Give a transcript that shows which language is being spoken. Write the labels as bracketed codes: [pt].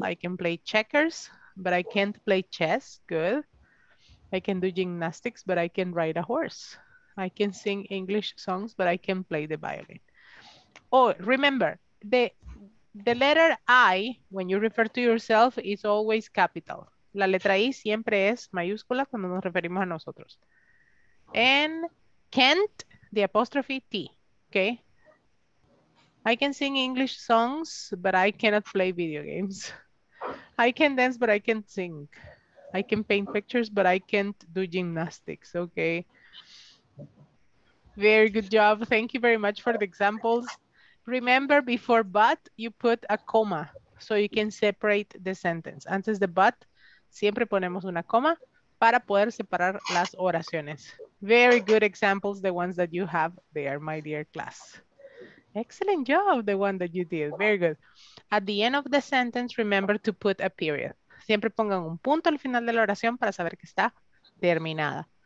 [en] I can play checkers, but I can't play chess. Good. I can do gymnastics, but I can ride a horse. I can sing English songs, but I can't play the violin. Oh, remember, the letter I, when you refer to yourself, is always capital. [es] La letra I siempre es mayúscula cuando nos referimos a nosotros. [en] And can't, the apostrophe T, okay? I can sing English songs, but I cannot play video games. I can dance, but I can't sing. I can paint pictures, but I can't do gymnastics, okay? Very good job. Thank you very much for the examples. Remember, before but, you put a comma so you can separate the sentence. [es] Antes de but, siempre ponemos una coma para poder separar las oraciones. [en] Very good examples, the ones that you have there, my dear class. Excellent job, the one that you did. Very good. At the end of the sentence, remember to put a period. [es] Siempre pongan un punto al final de la oración para saber que está terminada.